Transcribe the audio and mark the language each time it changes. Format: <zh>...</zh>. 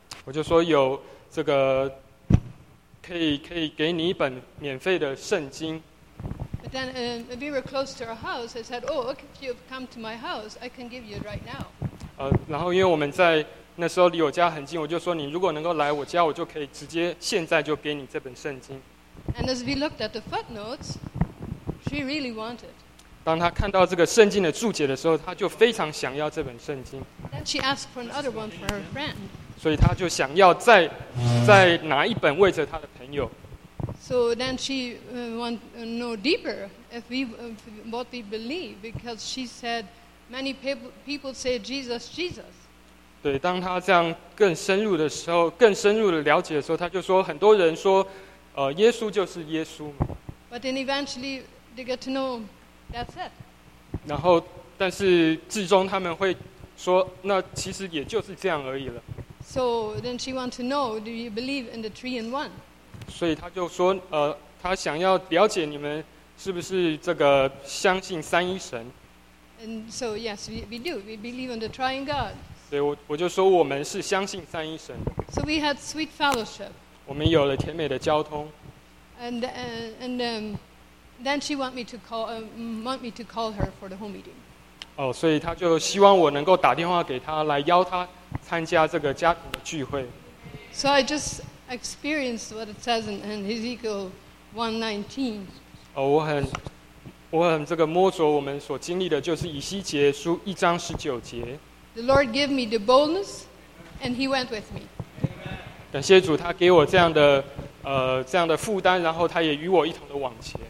<zh>我就说有这个可以给你一本免费的圣经。</zh> <en>But then we were close to her house. I said, "Oh, okay, if you've come to my house, I can give you it right now."</en> <zh>然后因为我们在那时候离我家很近，我就说你如果能够来我家，我就可以直接现在就给你这本圣经。</zh> <en>And as we looked at the footnotes, she really wanted.</en> <zh>当她看到这个圣经的注解的时候，她就非常想要这本圣经。</zh> <en>Then she asked for another one for her friend.</en> <zh>所以他就想要再拿一本为着他的朋友。</zh> <en>So then she went no deeper if we what we believe because she said many people say Jesus, Jesus.</en> <zh>对，当他这样更深入的时候，更深入的了解的时候，他就说很多人说，耶稣就是耶稣。</zh> <en>But then eventually they get to know that's it.</en> <zh>然后，但是最终他们会说，那其实也就是这样而已了。</zh> <en>So then she wants to know, do you believe in the three in one?</en> <zh>所以他就说，他想要了解你们是不是这个相信三一神。</zh> <en>And so yes, we do. We believe in the triune God.</en> <zh>对，我就说我们是相信三一神。</zh> <en>So we had sweet fellowship.</en> <zh>我们有了甜美的交通。</zh> <en>And then she want me to call her for the home meeting.</en> <zh>哦，所以他就希望我能够打电话给他，来邀他参加这个家庭的聚会。</zh> <en>So I just experienced what it says in Ezekiel 1:19.</en> <zh>哦，我很这个摸索我们所经历的，就是以西结书一章十九节。</zh> <en>The Lord gave me the boldness, and He went with me.</en> <zh>感谢主，他给我这样的这样的负担，然后他也与我一同的往前。</zh>